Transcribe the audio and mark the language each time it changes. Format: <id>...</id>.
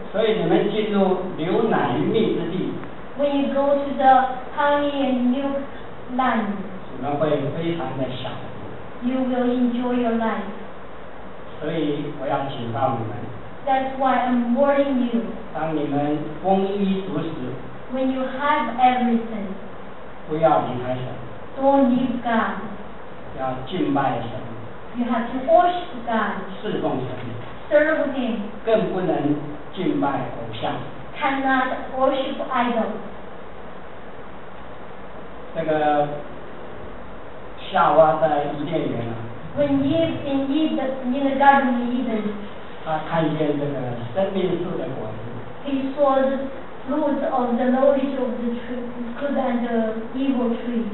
<zh>所以你们进入牛奶与蜜之地。</zh> <en>When you go to the honey and milk land.</en> <zh>你们会非常的享福。</zh> <en>You will enjoy your life.</en> <zh>所以我要警告你们。</zh> <en>That's why I'm warning you.</en> <zh>当你们丰衣足食。</zh> <en>When you have everything.</en> <zh>不要离开神。</zh> <en>Don't leave God.</en> <zh>要敬拜神。</zh> <en>You have to worship God.</en> <zh>侍奉神。</zh> <en>Serve Him.</en> <zh>更不能敬拜偶像。</zh> <en>Cannot worship idols.</en> <zh>这个夏娃在伊甸园啊。</zh> <en>When Eve in Eve in the Garden of Eden.</en> <zh>他看见这个生命树的果子。</zh> <en>He saw the fruit of the knowledge of the tree, good and the evil tree.</en>